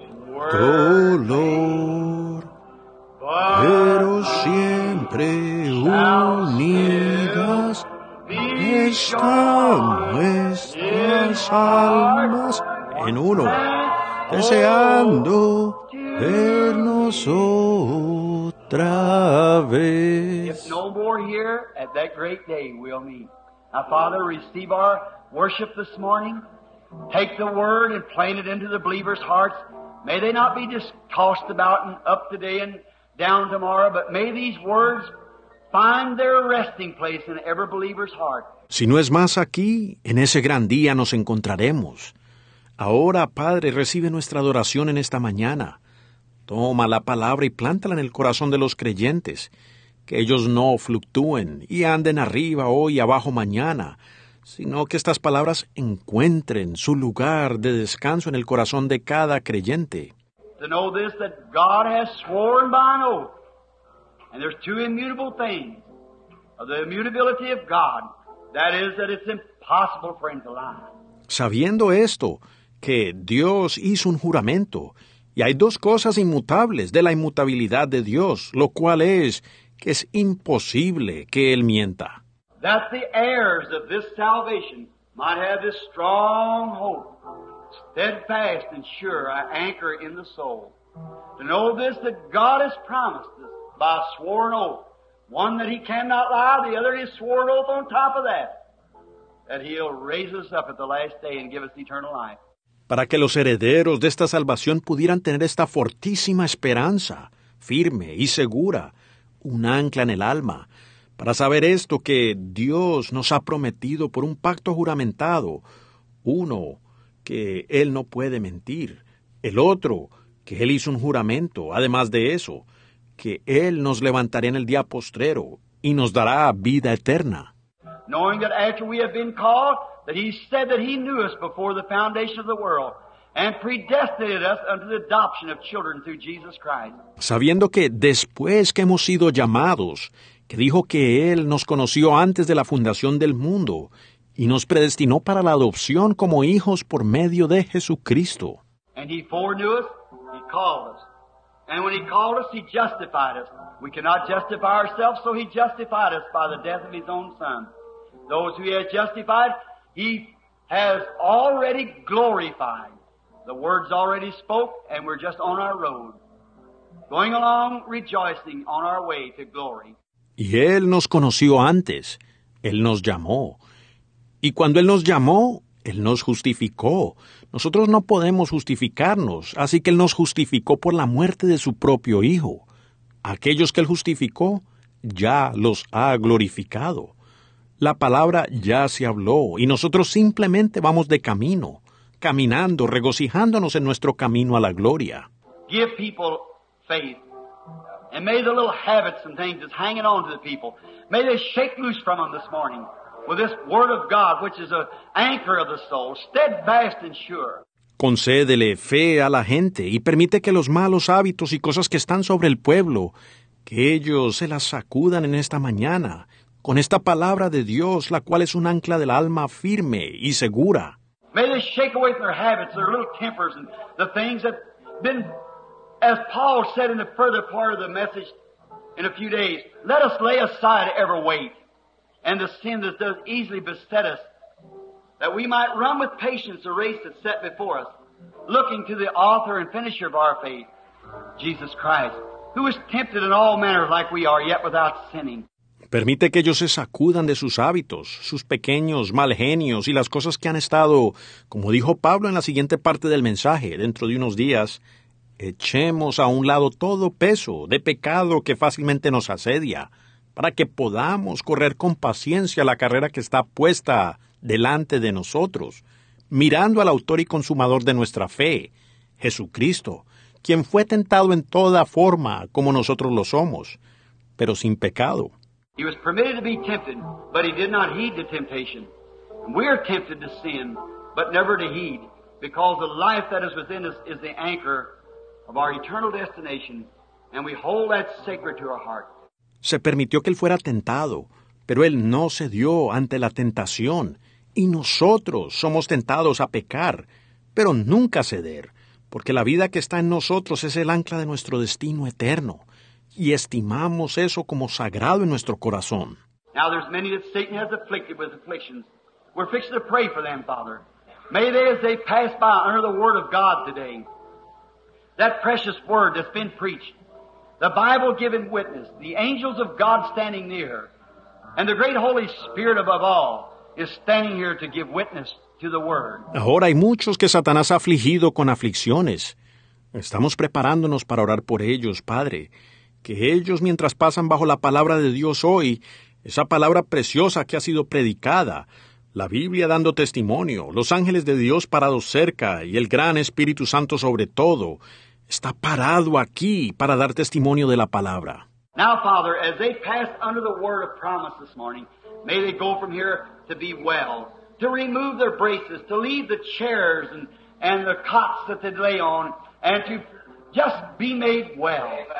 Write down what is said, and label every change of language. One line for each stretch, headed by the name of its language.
Spanish: Dolor, pero siempre unidas están nuestras almas en uno, deseando vernos otra vez.
English: If no more here, at that great day we'll meet. Now, Father, receive our worship this morning. Take the word and plant it into the believers' hearts. May they not be just tossed about and up today and down tomorrow, but may these words find their resting place in every believer's heart.
Spanish: Si no es más aquí, en ese gran día nos encontraremos. Ahora, Padre, recibe nuestra adoración en esta mañana. Toma la palabra y plántala en el corazón de los creyentes, que ellos no fluctúen y anden arriba hoy y abajo mañana, sino que estas palabras encuentren su lugar de descanso en el corazón de cada creyente.
English: To know this, that God has sworn by an oath, and there's two immutable things of the immutability of God, that is, that it's impossible for him to lie.
Spanish: Sabiendo esto, que Dios hizo un juramento, y hay dos cosas inmutables de la inmutabilidad de Dios, lo cual es que es imposible que él mienta.
English: That the heirs of this salvation might have this strong hope, steadfast and sure, an anchor in the soul. To know this, that God has promised us by a sworn oath, one that he cannot lie, the other his sworn oath on top of that, that he'll raise us up at the last day and give us eternal life.
Spanish: Para que los herederos de esta salvación pudieran tener esta fortísima esperanza, firme y segura, un ancla en el alma, para saber esto que Dios nos ha prometido por un pacto juramentado, uno, que Él no puede mentir, el otro, que Él hizo un juramento, además de eso, que Él nos levantaría en el día postrero y nos dará vida eterna.
English: Knowing that after we have been called, that He said that He knew us before the foundation of the world, and predestined us unto the adoption of children through Jesus Christ.
Spanish: Sabiendo que después que hemos sido llamados, que dijo que Él nos conoció antes de la fundación del mundo y nos predestinó para la adopción como hijos por medio de Jesucristo.
English: And he foreknew us, he called us. And when he called us, he justified us. We cannot justify ourselves, so he justified us by the death of his own son. Those who he has justified, he has already glorified. The words already spoke, and we're just on our road. Going along, rejoicing on our way to glory.
Spanish: Y Él nos conoció antes, Él nos llamó. Y cuando Él nos llamó, Él nos justificó. Nosotros no podemos justificarnos, así que Él nos justificó por la muerte de su propio Hijo. Aquellos que Él justificó, ya los ha glorificado. La palabra ya se habló, y nosotros simplemente vamos de camino, caminando, regocijándonos en nuestro camino a la gloria.
English: give people faith. And may the little habits and things that's hanging on to the people, may they shake loose from them this morning with this Word of God, which is an anchor of the soul, steadfast and sure.
Spanish: Concédele fe a la gente y permite que los malos hábitos y cosas que están sobre el pueblo, que ellos se las sacudan en esta mañana con esta palabra de Dios, la cual es un ancla del alma firme y segura.
English: May they shake away from their habits, their little tempers, and the things that have been, as Paul said in the further part of the message in a few days, let us lay aside every weight and the sin that does easily beset us, that we might run with patience the race that's set before us, looking to the author and finisher of our faith, Jesus Christ, who is tempted in all manners like we are, yet without sinning.
Spanish: Permite que ellos se sacudan de sus hábitos, sus pequeños mal genios y las cosas que han estado, como dijo Pablo en la siguiente parte del mensaje, dentro de unos días, echemos a un lado todo peso de pecado que fácilmente nos asedia, para que podamos correr con paciencia la carrera que está puesta delante de nosotros, mirando al autor y consumador de nuestra fe, Jesucristo, quien fue tentado en toda forma como nosotros lo somos, pero sin pecado.
English: He was permitted to be tempted, but he did not heed the temptation. We are tempted to sin, but never to heed, because the life that is within us is the anchor of our eternal destination, and we hold that sacred to our heart.
Spanish: Se permitió que él fuera tentado, pero él no cedió ante la tentación, y nosotros somos tentados a pecar, pero nunca ceder, porque la vida que está en nosotros es el ancla de nuestro destino eterno. Y estimamos eso como sagrado en nuestro corazón.
English: Now there's many that Satan has afflicted with afflictions. We're fixing to pray for them, Father. May they, as they pass by under the Word of God today, that precious Word that's been preached, the Bible given witness, the angels of God standing near, and the great Holy Spirit above all is standing here to give witness to the Word.
Spanish: Ahora hay muchos que Satanás ha afligido con aflicciones. Estamos preparándonos para orar por ellos, Padre. Que ellos, mientras pasan bajo la palabra de Dios hoy, esa palabra preciosa que ha sido predicada, la Biblia dando testimonio, los ángeles de Dios parados cerca y el gran Espíritu Santo sobre todo, está parado aquí para dar testimonio de la palabra.
English: Now, Father, as they pass under the word of promise this morning, may they go from here to be well, to remove their braces, to leave the chairs and the cots that they lay on, and to just be made well.